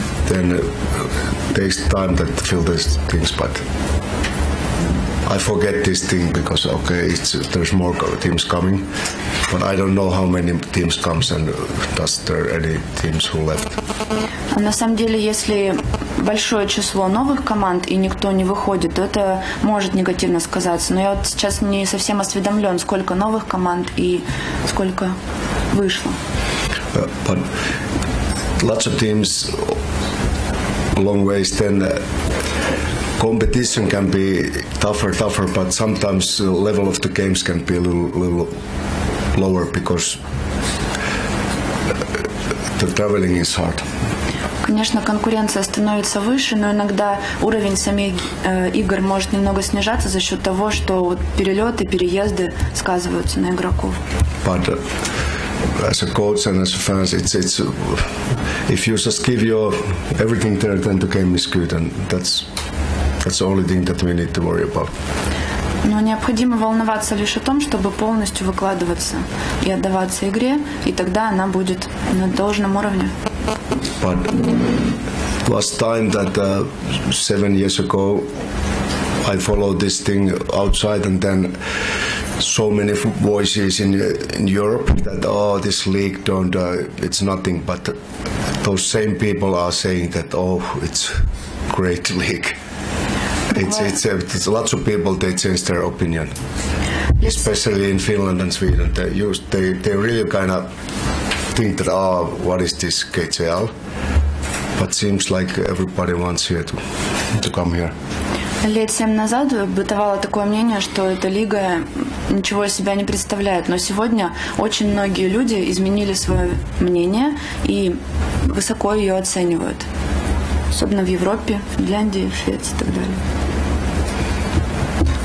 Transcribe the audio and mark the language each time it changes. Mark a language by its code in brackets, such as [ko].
[en] then there's time that filters things, but I forget this thing because, okay, there's more teams coming, but I don't know how many teams comes and does there any teams who left. [ru] На самом деле, если большое число новых команд и никто не выходит, то это может негативно сказаться. Но я вот сейчас не совсем осведомлен, сколько новых команд и сколько вышло. [en] But lots of teams long ways then. Competition can be tougher, but sometimes the level of the games can be a little lower because the traveling is hard. [ru] Конечно, конкуренция становится выше, но иногда уровень самих игр может немного снижаться за счет того, что вот перелеты, переезды сказываются на игроков. [en] But as a coach and as a fan, it's if you just give your everything there, then the game is good, and that's the only thing that we need to worry about. [ru] Но необходимо волноваться лишь о том, чтобы полностью выкладываться и отдаваться игре, и тогда она будет на должном уровне. [en] But last time that 7 years ago, I followed this thing outside, and then so many voices in Europe that oh, this league don't, it's nothing. But those same people are saying that oh, it's great league. It's lots of people, they change their opinion, especially in Finland and Sweden. They really kind of think that oh, what is this KHL? But seems like everybody wants here to come here. [ru] Лет 7 назад бытовало такое мнение, что эта лига ничего из себя не представляет. Но сегодня очень многие люди изменили свое мнение и высоко ее оценивают. Особенно в Европе, Финляндии, Швеции и так далее.